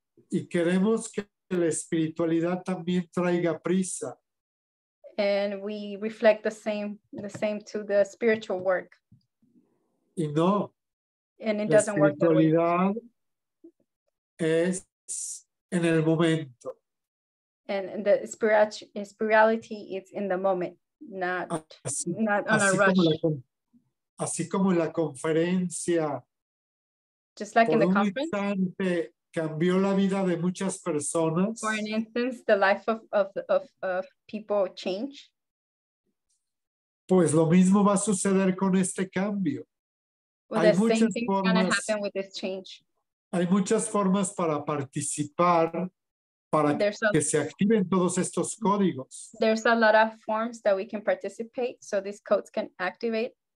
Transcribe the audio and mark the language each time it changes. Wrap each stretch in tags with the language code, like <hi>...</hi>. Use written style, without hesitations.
<es>Y queremos que la espiritualidad también traiga prisa.</es> <en>And we reflect the same to the spiritual work.</en> <es>Y no.</es> <en>And it doesn't work that way.</en> <es>La espiritualidad es en el momento.</es> <en>And the spirituality is in the moment, not on a rush.</en> <es>Así como la conferencia.</es> <en>Just like in the conference.</en> <es>Por un instante cambió la vida de muchas personas.</es> <en>For an instance, the life of people change.</en> <es>Pues lo mismo va a suceder con este cambio.</es> <en>Well, the same thing is going to happen with this change.</en> <es>Hay muchas formas para participar, para que se activen todos estos códigos.</es> <en>There's a lot of forms that we can participate, so these codes can activate.</en>